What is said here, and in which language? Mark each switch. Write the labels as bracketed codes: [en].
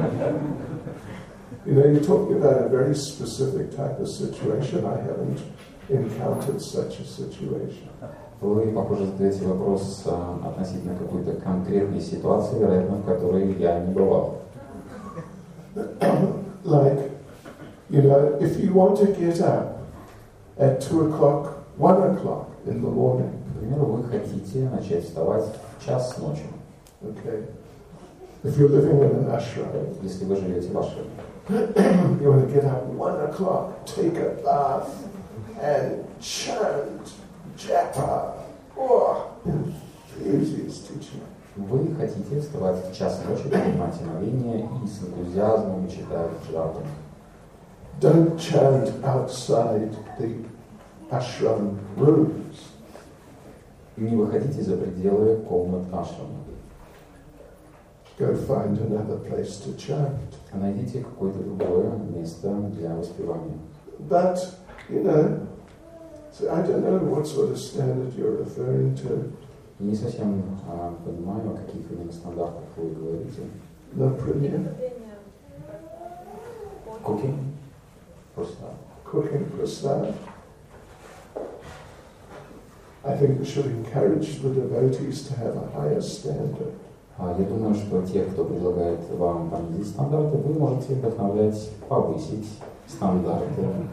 [en] You know, you're talking about a very specific type of situation. I haven't encountered such a situation. [ru] Вы, похоже, задаете вопрос относительно какой-то конкретной ситуации, вероятно, в которой я не бывал. [en] Like, you know, if you want to get up at 2 o'clock, 1 o'clock in the morning. [ru] Например, вы хотите начать вставать в час ночи. [en] Okay. If you're living in an ashram, [ru] если вы живете в ашраме, [en] you want to get up 1 o'clock, take a bath, and chant japa. Oh, easiest teaching. [ru] Вы хотите вставать в час ночи, принимать омовение и с энтузиазмом читать джапу. [en] Don't chant outside the ashram rooms. [ru] Не выходите за пределы комнат ашрама. [en] Go find another place to chant. [ru] Найдите какое-то другое место для воспевания. [en] But, you know, so I don't know what sort of standard you're referring to. [ru] Не совсем понимаю, о каких именно стандартах вы говорите. Например? [en] Cooking? Prasad. Cooking prasad. I think we should encourage the devotees to have a higher standard. [ru] Я думаю, что те, кто предлагает вам понизить стандарты, вы можете вдохновлять повысить стандарты.